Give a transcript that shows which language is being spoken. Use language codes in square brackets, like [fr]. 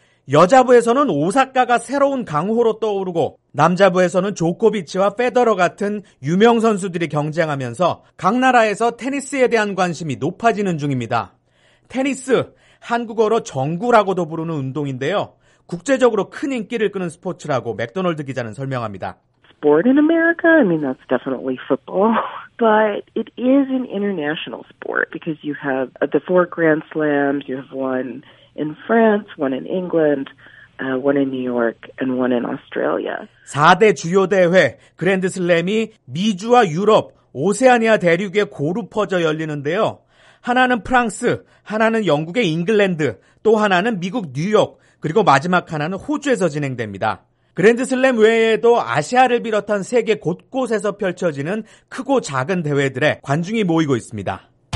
[ko] 여자부에서는 오사카가 새로운 강호로 떠오르고 남자부에서는 조코비치와 페더러 같은 유명 선수들이 경쟁하면서 각 나라에서 테니스에 대한 관심이 높아지는 중입니다. 테니스, 한국어로 정구라고도 부르는 운동인데요. 국제적으로 큰 인기를 끄는 스포츠라고 맥도널드 기자는 설명합니다. [en] Sport in America, I mean that's definitely football, but it is an international sport because you have the four Grand Slams, you have one in France, one in England, one in New York, and one in Australia. [ko] 4대 주요 대회, 그랜드슬램이 미주와 유럽, 오세아니아 대륙에 고루 퍼져 열리는데요. 하나는 프랑스, 하나는 영국의 잉글랜드, 또 하나는 미국 뉴욕, 그리고 마지막 하나는 호주에서 진행됩니다. 그랜드슬램 외에도 아시아를 비롯한 세계 곳곳에서 펼쳐지는 크고 작은 대회들에 관중이 모이고 있습니다.